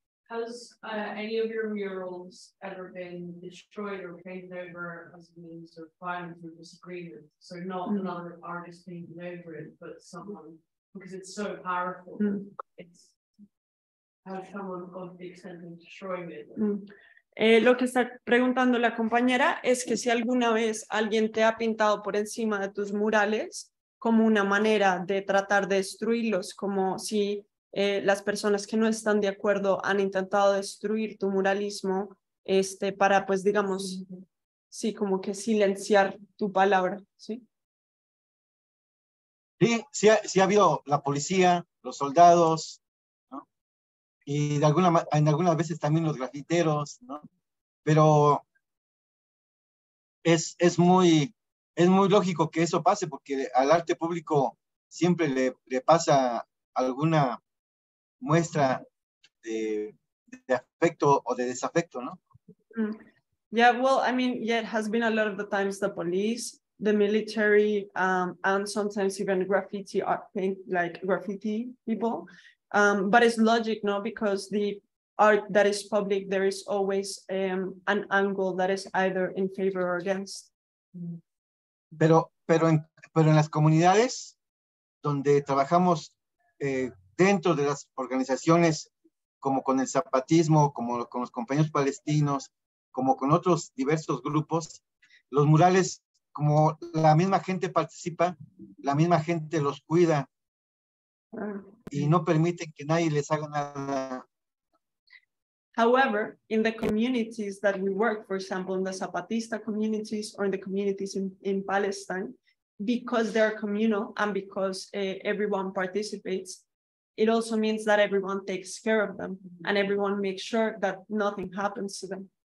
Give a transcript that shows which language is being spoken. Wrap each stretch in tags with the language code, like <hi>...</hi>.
<en>Has any of your murals ever been destroyed or painted over as a means of violence or disagreement? So not another artist painting over it, but someone, because it's so powerful. Mm. It's how someone got the extent of destroying it. Mm.</en> <es>Lo que está preguntando la compañera es que si alguna vez alguien te ha pintado por encima de tus murales como una manera de tratar de destruirlos, como si las personas que no están de acuerdo han intentado destruir tu muralismo para, pues, digamos, sí, como que silenciar tu palabra, ¿sí? Sí, sí, sí ha habido la policía, los soldados, ¿no? Y en algunas veces también los grafiteros, ¿no? Pero es muy lógico que eso pase, porque al arte público siempre le pasa alguna muestra de afecto o de desafecto, ¿no?</es> <en>Yeah, well, I mean, yeah, it has been a lot of the times the police, the military, and sometimes even graffiti art paint, like graffiti people. But it's logic, no? Because the art that is public, there is always an angle that is either in favor or against.</en> <es>Pero en las comunidades donde trabajamos dentro de las organizaciones, como con el zapatismo, como con los compañeros palestinos, como con otros diversos grupos, los murales, como la misma gente participa, la misma gente los cuida y no permiten que nadie les haga nada.</es> <en>However, in the communities that we work, for example, in the Zapatista communities or in the communities in Palestine, because they are communal and because everyone participates, it also means that everyone takes care of them and everyone makes sure that nothing happens to them.</en>